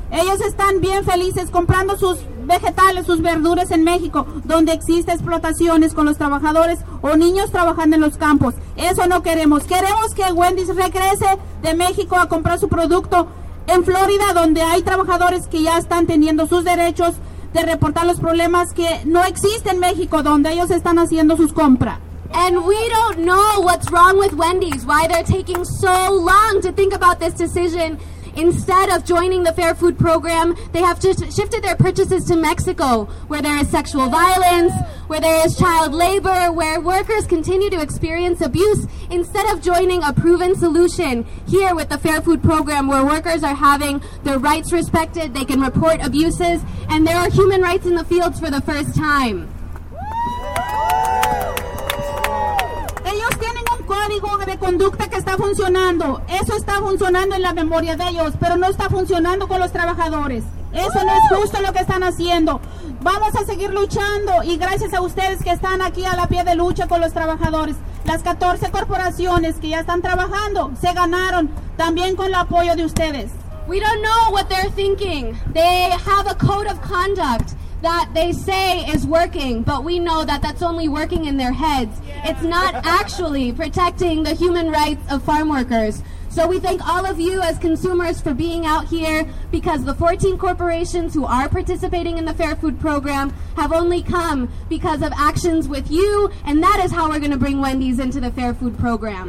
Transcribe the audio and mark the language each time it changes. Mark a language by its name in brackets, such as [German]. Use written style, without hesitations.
[Spanish] Ellos están bien felices comprando sus vegetales, sus verduras en México, donde existen explotaciones con los trabajadores o niños trabajando en los campos. Eso no queremos. Queremos que Wendy's regrese de México a comprar su producto en Florida, donde hay trabajadores que ya están teniendo sus derechos de reportar los problemas que no existen en México, donde ellos están haciendo sus compras. [English] And we don't know what's wrong with Wendy's, why they're taking so long to think about this decision. Instead of joining the Fair Food Program, they have just shifted their purchases to Mexico, where there is sexual violence, where there is child labor, where workers continue to experience abuse, instead of joining a proven solution here with the Fair Food Program, where workers are having their rights respected, they can report abuses, and there are human rights in the fields for the first time. [Spanish] Código de conducta que está funcionando. Eso está funcionando en la memoria de ellos, pero no está funcionando con los trabajadores. Eso no es justo lo que están haciendo. Vamos a seguir luchando y gracias a ustedes que están aquí a la pie de lucha con los trabajadores. Las 14 corporaciones que ya están trabajando se ganaron también con el apoyo de ustedes. [English] We don't know what they're thinking. They have a code of conduct that they say is working, but we know that that's only working in their heads. Yeah. It's not actually protecting the human rights of farm workers. So we thank all of you as consumers for being out here, because the 14 corporations who are participating in the Fair Food Program have only come because of actions with you, and that is how we're going to bring Wendy's into the Fair Food Program.